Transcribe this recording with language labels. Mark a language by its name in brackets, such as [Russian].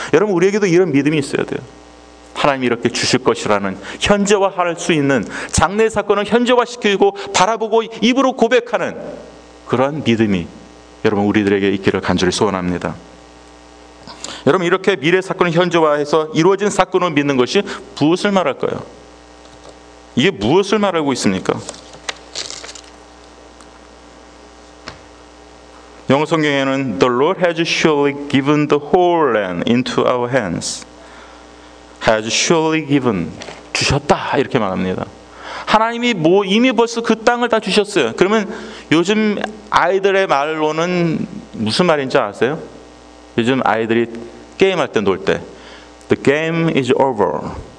[Korean] 여러분 우리에게도 이런 믿음이 있어야 돼요. 하나님이 이렇게 주실 것이라는 현재와 할 수 있는 장래의 사건을 현재화 시키고 바라보고 입으로 고백하는 그런 믿음이 여러분 우리들에게 있기를 간절히 소원합니다. 여러분 이렇게 미래 사건을 현재화해서 이루어진 사건을 믿는 것이 무엇을 말할까요? 이게 무엇을 말하고 있습니까? [English] 영어 성경에는 The Lord has surely given the whole land into our hands. Has surely given. [Korean] 주셨다 이렇게 말합니다. 하나님이 뭐 이미 벌써 그 땅을 다 주셨어요. 그러면 요즘 아이들의 말로는 무슨 말인지 아세요? 요즘 아이들이 게임할 때 놀 때 [English] The game is over.